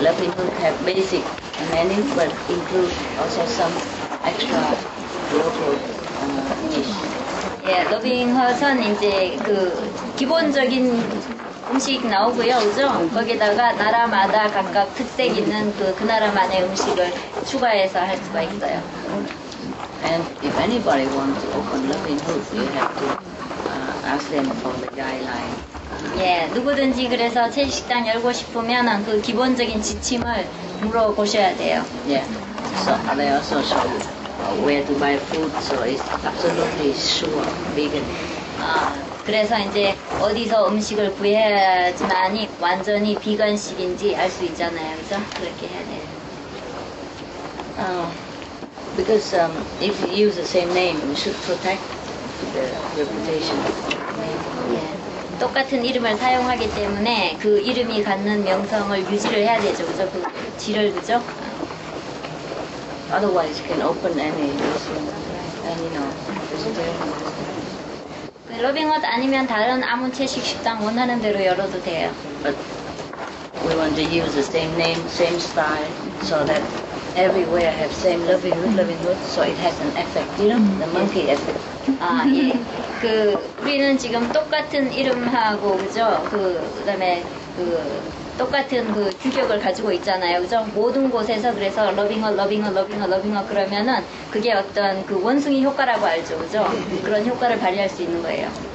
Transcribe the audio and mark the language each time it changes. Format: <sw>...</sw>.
<en>Loving Hood have basic menu, but include also some extra local dish.</en> <ko>Yeah, Loving Hood은 이제 그 기본적인 음식 나오고요, 그죠? 거기다가 나라마다 각각 특색 있는 그 나라만의 음식을 추가해서 할 수가 있어요.</ko> <en>And if anybody wants to open Loving Hood, you have to ask them for the guideline.</en> <ko>예, 누구든지 그래서 채식당 열고 싶으면 그 기본적인 지침을 물어보셔야 돼요.</ko> <en>Yeah. So they also show where to buy food, so it's absolutely sure vegan.</en> <ko>그래서 이제 어디서 음식을 구해야지만이 완전히 비건식인지 알 수 있잖아요. 그죠? 그렇게 해야 돼요.</ko> <en>Because if you use the same name, you should protect the reputation. Yeah.</en> <ko>똑같은 이름을 사용하기 때문에 그 이름이 갖는 명성을 유지를 해야 되죠. 그래서 그 질을 그죠?</ko> <en>Otherwise, you can open any issue. And you know, just do it.</en> <ko>러빙엇 아니면 다른 아무 채식 식당 원하는 대로 열어도 돼요.</ko> <en>But we want to use the same name, same style, so that everywhere have same Loving Hood, so it has an effect, you know, the monkey effect.</en> <ko>아, 예. 그, 우리는 지금 똑같은 이름하고, 그죠? 그, 그 다음에, 그, 똑같은 그 규격을 가지고 있잖아요. 그죠? 모든 곳에서 그래서 Loving Hood 그러면은 그게 어떤 그 원숭이 효과라고 알죠? 그죠? 그런 효과를 발휘할 수 있는 거예요.</ko>